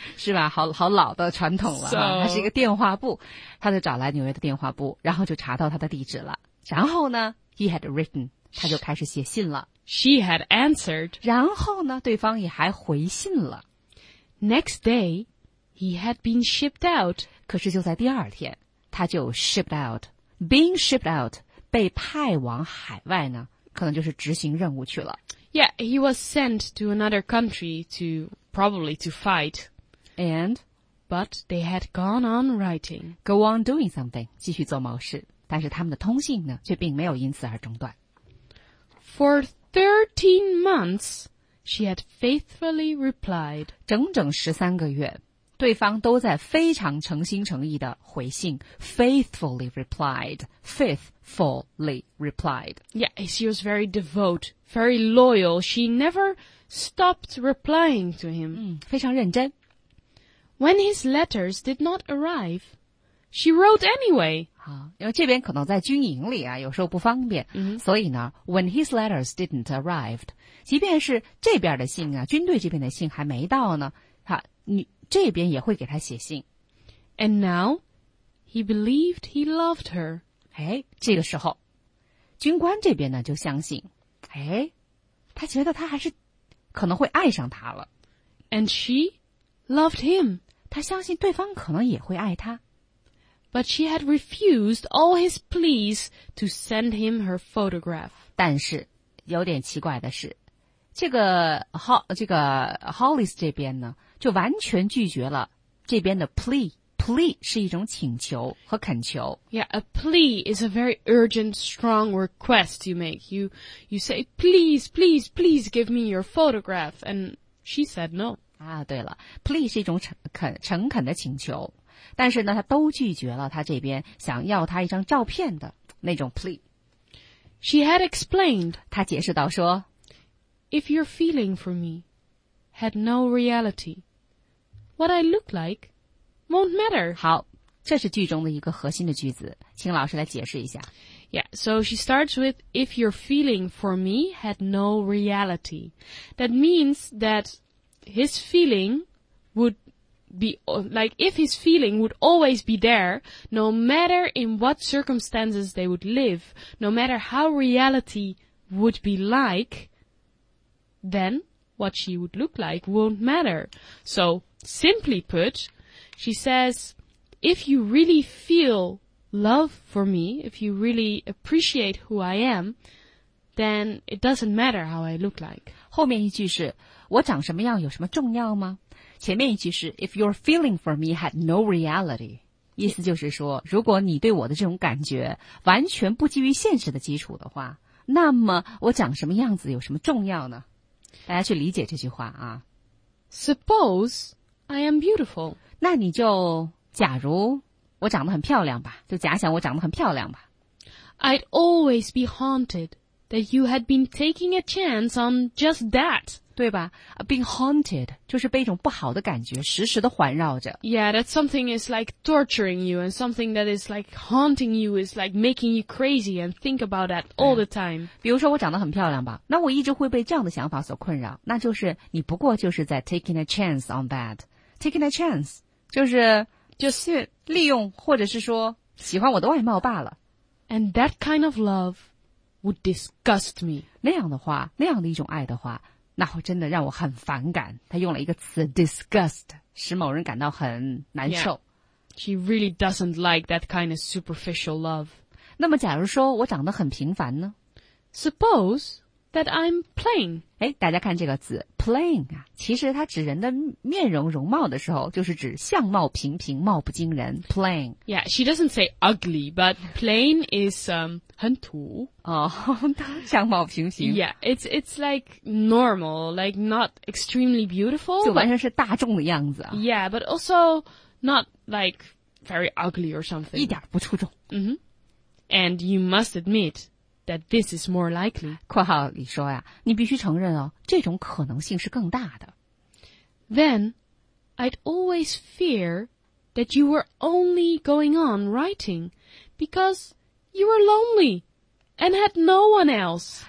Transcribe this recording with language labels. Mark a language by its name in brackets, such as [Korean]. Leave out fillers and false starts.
[Chinese] 是吧？好好老的传统了。 [English] So, [Chinese] 它是一个电话簿，他就找来纽约的电话簿，然后就查到他的地址了。然后呢 ， [English] he had written， [Chinese] 他就开始写信了。 [English] She had answered. [Chinese] 然后呢，对方也还回信了。 [English] Next day, he had been shipped out. [Chinese] 可是就在第二天，他就 shipped out. [English] Being shipped out, [Chinese] 被派往海外呢，可能就是执行任务去了。 [English] Yeah, he was sent to another country to probably to fight. And? But they had gone on writing. Go on doing something, [Chinese] 继续做某事。但是他们的通信呢，却并没有因此而中断。 [English] For 13 months, she had faithfully replied. [Chinese] 整整13个月，对方都在非常诚心诚意的回信。 [English] Faithfully replied. Faithfully replied. Yeah, she was very devout, very loyal. She never stopped replying to him. [Chinese] 非常认真。 [English] When his letters did not arrive, she wrote anyway. [Chinese] 因为这边可能在军营里啊，有时候不方便，嗯、所以呢 ， [English] when his letters didn't arrive， [Chinese] 即便是这边的信啊，军队这边的信还没到呢，他你这边也会给他写信。 [English] And now he believed he loved her。 [Chinese] 哎，这个时候，军官这边呢就相信，哎，他觉得他还是可能会爱上他了。 [English] And she loved him。 [Chinese] 他相信对方可能也会爱他。 [English] But she had refused all his pleas to send him her photograph. [Chinese] 但是有点奇怪的是，这个 Hollis 这边呢，就完全拒绝了这边的 plea. Plea 是一种请求和恳求。 [English] Yeah, a plea is a very urgent, strong request you make. You say, please, please, please give me your photograph. And she said no. [Chinese] 啊，对了 ，please 是一种诚恳的请求，但是呢，他都拒绝了他这边想要他一张照片的那种 please。 [English] She had explained. [Chinese] 他解释到说 [English] ，If your feeling for me had no reality, what I look like won't matter. [Chinese] 好，这是句中的一个核心的句子，请老师来解释一下。 [English] Yeah, so she starts with, if your feeling for me had no reality. That means that his feeling would be, like, if his feeling would always be there, no matter in what circumstances they would live, no matter how reality would be like, then what she would look like won't matter. So, simply put, she says, if you really feel love for me, if you really appreciate who I am, then it doesn't matter how I look like. [Chinese] 后面一句是我长什么样有什么重要吗？前面一句是 [English] if your feeling for me had no reality, [Chinese] 意思就是说如果你对我的这种感觉完全不基于现实的基础的话，那么我长什么样子有什么重要呢？大家去理解这句话啊。 [English] Suppose I am beautiful. [Chinese] 那你就假如我长得很漂亮吧，就假想我长得很漂亮吧。 [English] I'd always be haunted that you had been taking a chance on just that. [Chinese] 对吧 ? [English] being haunted, [Chinese] 就是被一种不好的感觉时时的环绕着。 [English] Yeah, that something is like torturing you, and something that is like haunting you is like making you crazy and think about that all the time. [Chinese] 比如说我长得很漂亮吧，那我一直会被这样的想法所困扰，那就是你不过就是在 [English] taking a chance on that. Taking a chance, [Chinese] 就是 [English] Just [Chinese] 利用或者是说喜欢我的外貌罢了。 [English] And that kind of love would disgust me. [Chinese] 那样的话，那样的一种爱的话，那会真的让我很反感。他用了一个词 disgust, 使某人感到很难受。 [English] Yeah. She really doesn't like that kind of superficial love. [Chinese] 那么假如说我长得很平凡呢？ [English] Suppose that I'm plain. [Chinese] 诶，大家看这个词 plain 啊，其实它指人的面容容貌的时候，就是指相貌平平，貌不惊人 plain. [English] Yeah, she doesn't say ugly, but plain is, [Chinese] 很土。哦，相貌平平。 [English] Yeah, it's like normal, like not extremely beautiful. [Chinese] 就完全是大众的样子啊。 [English] Yeah, but also not like very ugly or something. [Chinese] 一点不出众。 Mm-hmm. [English] And you must admit that this is more likely. [Chinese] 括号里说呀，你必须承认哦，这种可能性是更大的。 [English] Then, I'd always fear that you were only going on writing because... You were lonely and had no one else.